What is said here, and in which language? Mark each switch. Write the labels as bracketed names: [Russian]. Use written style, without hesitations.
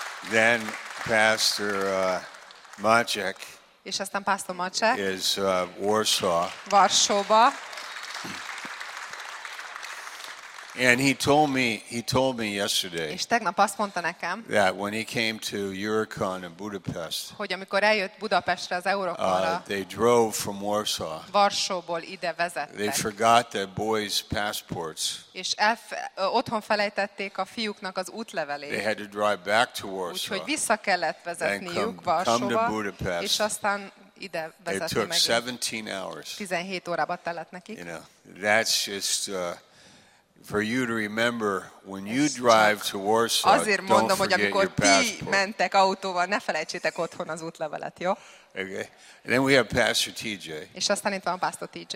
[English] Then Pastor Maciek. [Hungarian] És aztán Pásztor Maciek. [English] Is Warsaw. [Hungarian] Varsóba. [English] And he told me yesterday. [Hungarian] És tegnap azt mondta nekem. [English] That when he came to Eurocon in Budapest. [Hungarian] Hogy amikor eljött Budapestre az Eurocon-ra. [English] They drove from Warsaw. [Hungarian] Varsóból ide vezettek. [English] They forgot their boys' passports. [Hungarian] És otthon felejtették a fiúknak az útlevelét. [English] They had to drive back to Warsaw. [Hungarian] Úgyhogy vissza kellett vezetniük Varsóba. És aztán ide vezetni [English] it took [Hungarian] megint. [English] 17 hours. [Hungarian] 17 órába tellett nekik. [English] You know, that's just for you to remember when you drive to Warsaw. [Hungarian] Azért mondom, hogy amikor ti mentek autóval, ne felejtsétek otthon az útlevelet, jó? [English] Okay. And then we have Pastor TJ. [Hungarian] És aztán itt van Pásztor TJ.